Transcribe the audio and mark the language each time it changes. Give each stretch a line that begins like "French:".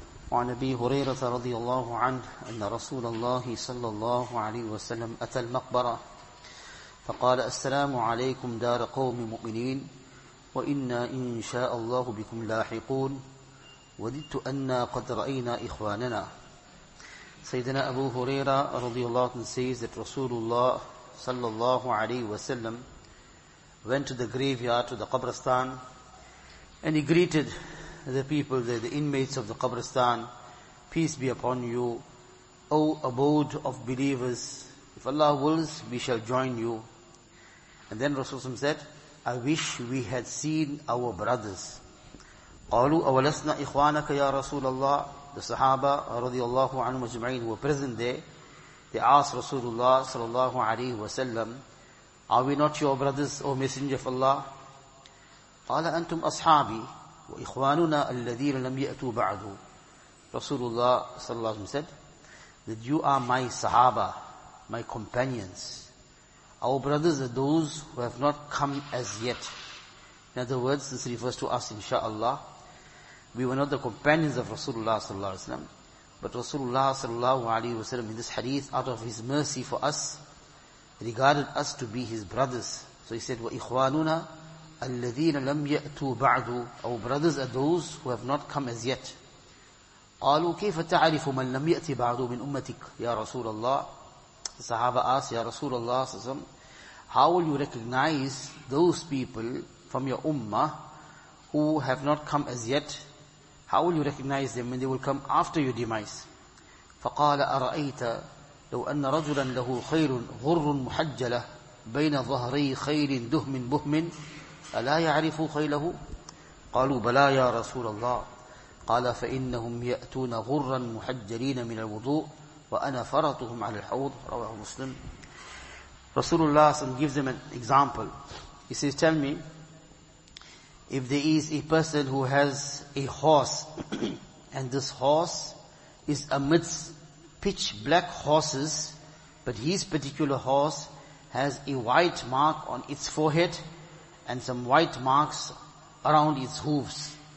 Arabic: وعن أبي هريرة رضي الله عنه أن رسول الله صلى الله عليه وسلم أتى المقبرة فقال: السلام عليكم دار قوم مؤمنين، وإنا إن شاء الله بكم لاحقون، وددت أنا قد رأينا إخواننا.
English: سيدنا أبو هريرة رضي الله عنه says that رسول الله صلى الله عليه وسلم went to the graveyard, to the قبرستان, and he greeted the people, the inmates of the Qabristan. Peace be upon you, O abode of believers. If Allah wills, we shall join you. And then Rasulullah said, I wish we had seen our brothers.
Arabic: قَالُوا أَوَلَسْنَا إِخْوَانَكَ يَا رَسُولَ اللَّهِ.
English: The Sahaba radiallahu anhu majma'in who were present there, they asked Rasulullah sallallahu alayhi wa sallam, are we not your brothers, O Messenger of Allah?
Arabic: قال أنتم أصحابي وإخواننا الذين لم يأتوا بعد.
English: رسول الله صلى الله عليه وسلم said that you are my Sahaba, my companions. Our brothers are those who have not come as yet. In other words, this refers to us, inshaAllah. We were not the companions of Rasulullah صلى الله عليه وسلم. But Rasulullah صلى الله عليه وسلم in this hadith, out of his mercy for us, regarded us to be his brothers. So he said,
Arabic: وإخواننا الذين لم يأتوا بعد.
English: Our brothers are those who have not come as yet.
Arabic: قالوا كيف تعرف من لم يأتي بعد من أمتك يا رسول الله.
English: The Sahaba asked, يا رسول الله, how will you recognize those people from your ummah who have not come as yet? How will you recognize them when they will come after your demise?
Arabic: فقال أرأيت لو أن رجلا له خير غر محجلة بين ظهري خير دهم بهم ألا يعرف خيله؟ قالوا بلى يا رسول الله. قال فإنهم يأتون غرا محجرين من الوضوء وأنا فرطهم على الحوض. رواه مسلم.
English: Rasulullah gives them an example. He says, tell me, if there is a person who has a horse and this horse is amidst pitch black horses, but his particular horse has a white mark on its forehead and some white marks around its hooves.